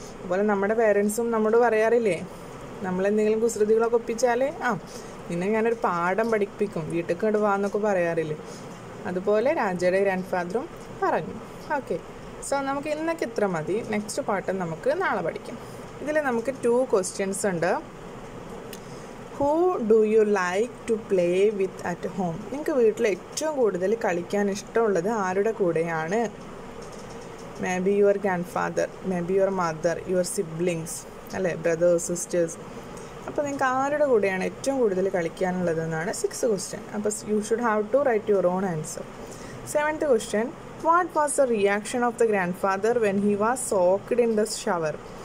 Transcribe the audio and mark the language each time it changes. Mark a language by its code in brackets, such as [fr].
[ml] അതുപോലെ നമ്മുടെ പേരൻസും നമ്മോട് പറയാറില്ലേ, നമ്മളെന്തെങ്കിലും കുസൃതികളൊക്കെ ഒപ്പിച്ചാലേ നിന്നെ ഞാനൊരു പാഠം പഠിപ്പിക്കും, വീട്ടിലേക്ക് കൊണ്ട് വാ എന്നൊക്കെ പറയാറില്ലേ. അതുപോലെ രാജയുടെ ഗ്രാൻഡ് ഫാദറും പറഞ്ഞു. ഓക്കെ, സോ നമുക്ക് ഇന്നൊക്കെ ഇത്ര മതി, നെക്സ്റ്റ് പാട്ട് നമുക്ക് നാളെ പഠിക്കാം. ഇതിൽ നമുക്ക് ടു ക്വസ്റ്റ്യൻസ് ഉണ്ട്. [en] Who do you like to play with at home? [ml] നിങ്ങൾക്ക് വീട്ടിൽ ഏറ്റവും കൂടുതൽ കളിക്കാൻ ഇഷ്ടമുള്ളത് ആരുടെ കൂടെയാണ്? [en] May be your grand father, may be your mother, your siblings അല്ലേ, brothers sisters. [ml] അപ്പോൾ നിങ്ങൾക്ക് ആരുടെ കൂടെയാണ് ഏറ്റവും കൂടുതൽ കളിക്കാനുള്ളത് എന്നാണ് സിക്സ് ക്വസ്റ്റ്യൻ. [en] അപ്പോൾ you should have to write your own answer. Seventh question, what was the reaction of the grand father when he was soaked in the shower.